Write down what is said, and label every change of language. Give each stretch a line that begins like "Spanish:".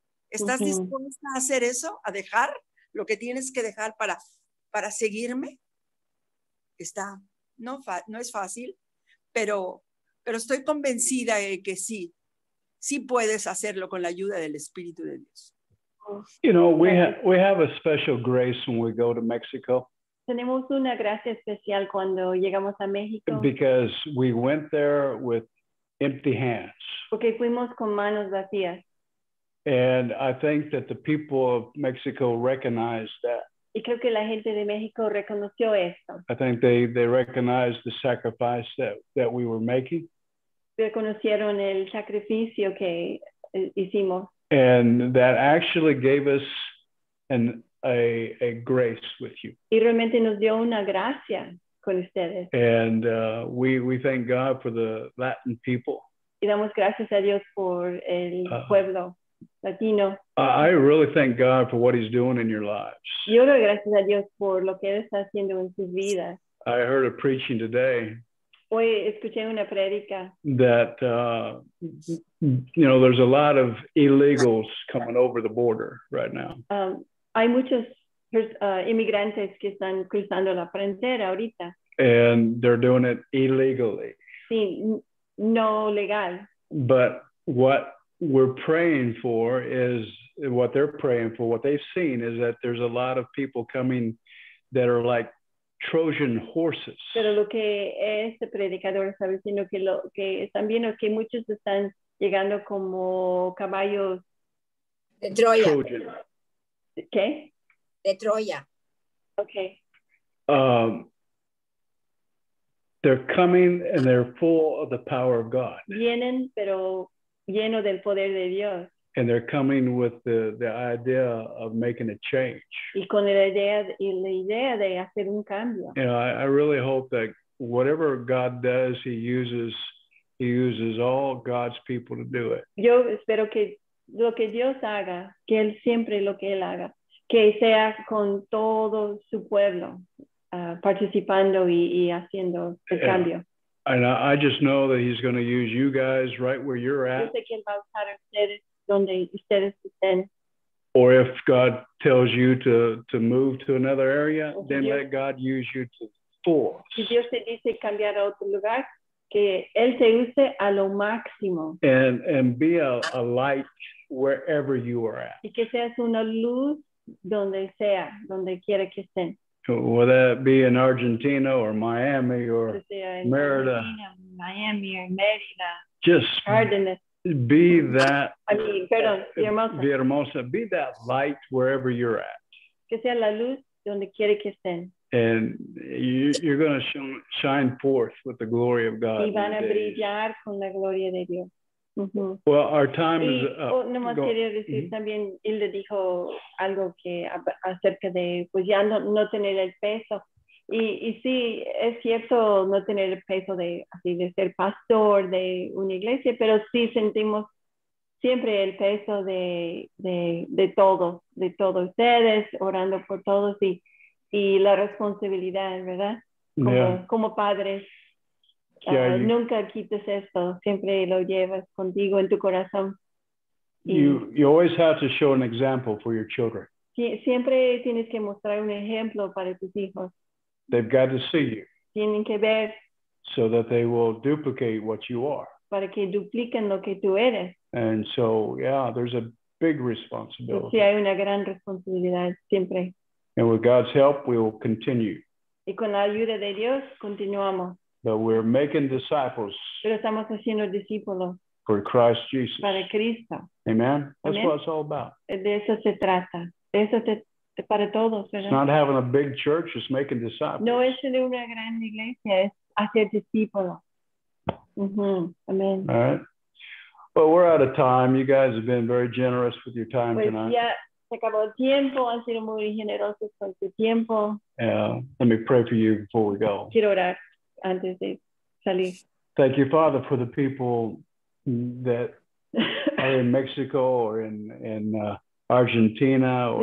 Spanish: ¿Estás dispuesta a hacer eso, a dejar lo que tienes que dejar para seguirme? Está no es fácil, pero estoy convencida de que sí, sí puedes hacerlo con la ayuda del Espíritu de Dios.
English: You know, we have a special grace when we go to Mexico.
Spanish: Tenemos una gracia especial cuando llegamos a México.
English: Because we went there with empty hands.
Spanish: Porque fuimos con manos vacías.
English: And I think that the people of Mexico recognized that.
Spanish: Y creo que la gente de México reconoció esto.
English: I think they recognized the sacrifice that we were making.
Spanish: Reconocieron el sacrificio que hicimos.
English: And that actually gave us a grace with you.
Spanish: Y realmente nos dio una gracia con ustedes.
English: And we thank God for the Latin people.
Spanish: Y damos gracias a Dios por el pueblo latino.
English: I really thank God for what he's doing in your lives.
Spanish: Yo doy gracias a Dios por lo que él está haciendo en sus vidas.
English: I heard a preaching today.
Spanish: Hoy escuché una prédica.
English: That, you know, there's a lot of illegals coming over the border right now.
Spanish: Hay muchos inmigrantes que están cruzando la frontera ahorita.
English: And they're doing it illegally.
Spanish: Sí, no legal.
English: But what we're praying for is, what they're praying for, what they've seen is that there's a lot of people coming that are like Trojan horses.
Spanish: Pero lo que este predicador está diciendo que lo que están viendo es que muchos están llegando como caballos de Troya.
English: Trojan.
Spanish: ¿Qué? De Troya.
English: Okay. They're coming and they're full of the power of God.
Spanish: Vienen, pero lleno del poder de Dios.
English: And they're coming with the idea of making a change.
Spanish: Y con la idea de hacer un cambio.
English: You know, I really hope that whatever God does, he uses all God's people to do it.
Spanish: Yo espero que lo que Dios haga, que él siempre lo que él haga, que sea con todo su pueblo participando y haciendo el cambio.
English: And I just know that he's going to use you guys right where you're at.
Spanish: Yo sé que él va a usar a ustedes donde ustedes estén.
English: Or if God tells you to move to another area, si then Dios, let God use you to force.
Spanish: Si Dios te dice cambiar a otro lugar, que él te use a lo máximo.
English: And be a light wherever you are at.
Spanish: Y que seas una luz donde sea, donde quiera que estén.
English: Will that be in Argentina or Miami or Merida? Miami or Merida. Just Cardenas. Be that. I mean,
Spanish: perdón,
English: Villahermosa. Be that light wherever you're at.
Spanish: Que sea la luz donde quiera que estén.
English: And you're going to shine forth with the glory of God.
Spanish: Y van a brillar con la gloria de Dios. Mm-hmm.
English: Well, our time is up.
Spanish: No más quería decir, mm-hmm. también Hilda dijo algo que acerca de pues ya no tener el peso. Y sí, es cierto no tener el peso de así de ser pastor de una iglesia, pero sí sentimos siempre el peso de todos ustedes orando por todos y la responsabilidad, ¿verdad? Como padres.
English: Yeah,
Spanish: nunca quites esto, siempre lo llevas contigo en tu corazón.
English: You always have to show an example for your children.
Spanish: Siempre tienes que mostrar un ejemplo para tus hijos.
English: They've got to see you.
Spanish: Tienen que ver.
English: So that they will duplicate what you are.
Spanish: Para que dupliquen lo que tú eres.
English: And so, yeah, there's a big responsibility.
Spanish: Sí, hay una gran responsabilidad siempre.
English: And with God's help, we will continue.
Spanish: Y con la ayuda de Dios, continuamos.
English: But we're making disciples.
Spanish: Pero estamos haciendo discípulos.
English: For Christ Jesus.
Spanish: Para Cristo.
English: Amen. That's Amen. What it's all about.
Spanish: De eso se trata. De eso para todos, ¿verdad?
English: It's not having a big church, it's making disciples.
Spanish: No es tener una gran iglesia, es hacer discípulos.
English: Mm-hmm. Amen. All right. Well, we're out of time. You guys have been very generous with your time
Spanish: pues
English: tonight.
Spanish: Ya se acabó el tiempo. Han sido muy generosos con su tiempo.
English: Let me pray for you before we go.
Spanish: Quiero orar. Antes de salir.
English: Thank you, Father, for the people that are in Mexico or in Argentina or